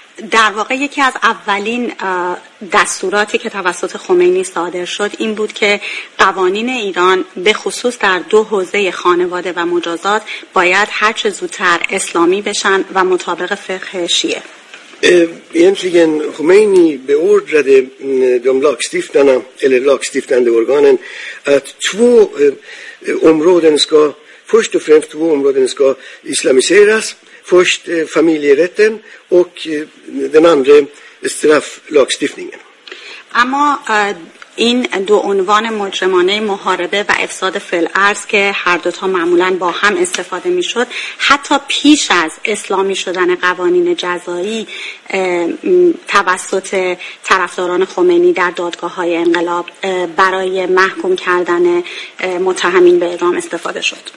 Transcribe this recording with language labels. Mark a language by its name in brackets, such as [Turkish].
[Persian] در واقع یکی از اولین دستوراتی که توسط خمینی صادر شد این بود که قوانین ایران به خصوص در دو حوزه خانواده و مجازات باید هر چه زودتر اسلامی بشن و مطابق فقه شیعه. [Swedish] Egentligen خمینی beordrade de lagstiftarna eller lagstiftande organen att två områden ska islamiseras. Först familjerätten och den andra strafflagstiftningen. [Persian] Amma این دو عنوان مجرمانه محاربه و افساد فی‌الارض که هر دوتا معمولا با هم استفاده می شد، حتی پیش از اسلامی شدن قوانین جزایی توسط طرفداران خمینی در دادگاه های انقلاب برای محکوم کردن متهمین به اعدام استفاده شد.